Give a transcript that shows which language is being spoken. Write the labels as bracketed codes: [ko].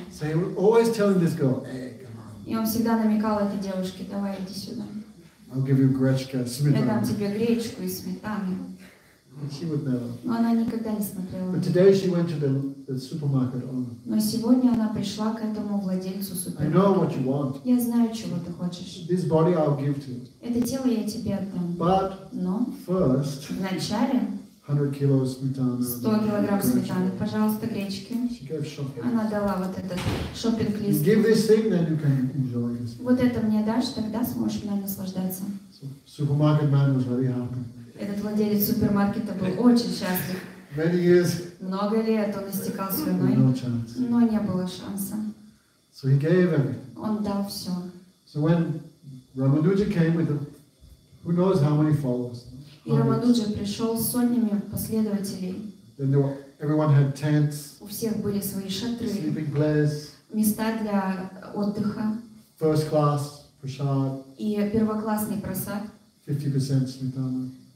[en] So he was always telling this girl, "Hey, come on." [ru] И он всегда намекал этой девушке: "Давай, иди сюда." [en] I'll give you [ru] гречка, сметану. Я дам тебе гречку и сметану. [en] And she would never. [ru] Но она никогда не смотрела. [en] But today she went to the supermarket owner. [ru] Но сегодня она пришла к этому владельцу супермаркета. [en] I know what you want. [ru] Я знаю, чего ты хочешь. [en] This body I'll give to you. [ru] Это тело я тебе отдам. [en] But [ru] но [en] first. [ru] Вначале. 100 кило сметаны. 100 килограмм сметаны, пожалуйста, гречки. Она дала вот этот шопинг-лист. [en] Give this thing, then you can enjoy this. [ru] Вот это мне дашь, тогда сможешь мной наслаждаться. [en] Supermarket man was very happy. [ru] Этот владелец супермаркета был очень счастлив. [en] Many years. [ru] Много лет он истекал слюной. Но не было шанса. [en] So he gave everything. [ru] Он дал все. [en] So when Ramanuja came with who knows how many followers. [ru] И Рамадуджа пришел с сотнями последователей. [en] Then everyone had tents. [ru] У всех были свои шатры. [en] Sleeping place. [ru] Места для отдыха. [en] First class prasad. [ru] И первоклассный просад. 50% сметана.